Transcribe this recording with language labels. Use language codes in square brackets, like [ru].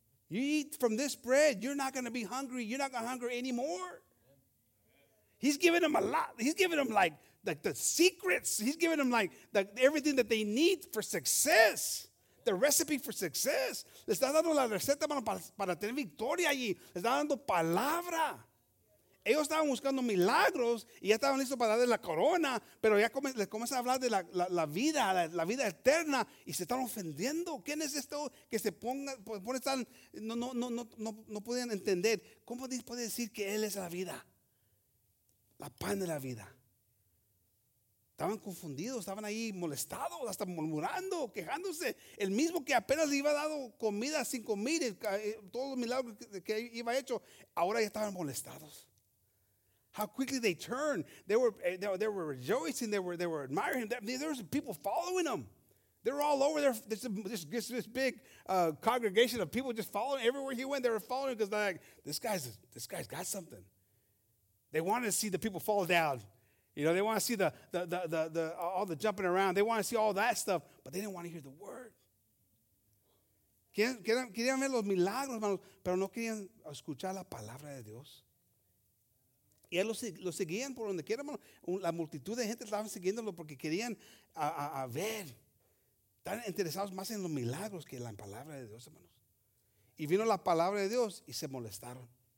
[en] You eat from this bread, you're not going to be hungry. You're not going to hunger anymore. He's giving them a lot. He's giving them like the secrets. He's giving them like everything that they need for success. The recipe for success. [es] Les está dando la receta, hermano, para tener victoria allí. Les está dando palabra. Ellos estaban buscando milagros y ya estaban listos para darle la corona, pero ya les comienza a hablar de la vida vida eterna y se están ofendiendo. ¿Quién es esto que se pone tan, no pueden entender? ¿Cómo puede decir que Él es la vida? La pan de la vida. Estaban confundidos, estaban ahí molestados, hasta murmurando, quejándose. El mismo que apenas le iba dado comida a 5,000, todos los milagros que iba hecho, ahora ya estaban molestados. [en] How quickly they turned. They were rejoicing. They were admiring him. There was people following him. They're all over there. This big congregation of people just following everywhere he went. They were following him because they're like, this guy's got something. They wanted to see the people fall down. You know, they want to see the all the jumping around. They want to see all that stuff, but they didn't want to hear the word. [es] Querían ver los milagros, hermanos, pero no querían escuchar la palabra de Dios. Y él lo seguían por donde quiera, hermano. La multitud de gente estaban siguiéndolo porque querían a ver. Están interesados más en los milagros que en la palabra de Dios, hermanos. Y vino la palabra de Dios y se molestaron.